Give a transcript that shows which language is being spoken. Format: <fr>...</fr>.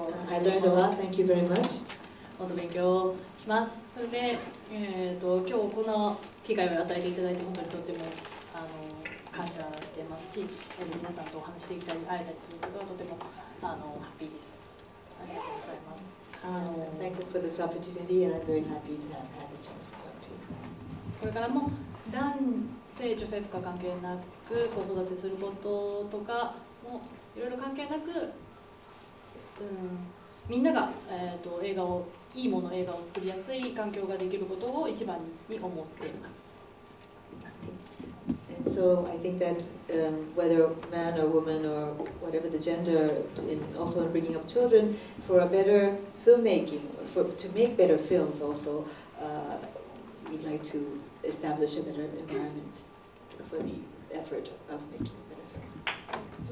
<en>I learned a lot. Thank you very much.</en> <ja>本当勉強します。それで、今日この機会を与えていただいて本当にとっても感謝していますし、皆さんとお話しできたり会えたりすることはとてもハッピーです。ありがとうございます。</ja> <en>Thank you for this opportunity, and I'm very happy to have had the chance to talk to you.</en> <ja>これからも男性女性とか関係なく子育てすることとかもいろいろ関係なく、みんなが映画をいいもの映画を作りやすい環境ができることを一番に思っています。</ja> <en>And so I think that、whether man or woman or whatever the gender, in also in bringing up children for a better filmmaking, for, to make better films also,、we'd like to establish a better environment for the effort of making better films.</en>